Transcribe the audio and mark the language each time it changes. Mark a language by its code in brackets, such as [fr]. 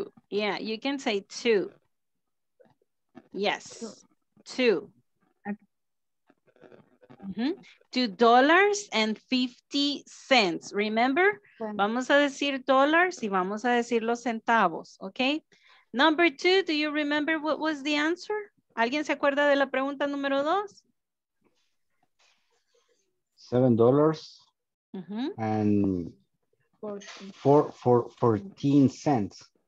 [en] Yeah, you can say two. Yes, two. Mm-hmm. $2.50. [es] Remember, vamos a decir dólares y vamos a decir los centavos, okay? [en] Number two, do you remember what was the answer? [es] ¿Alguien se acuerda de la pregunta número dos? [en] $7 mm-hmm. and 14 cents.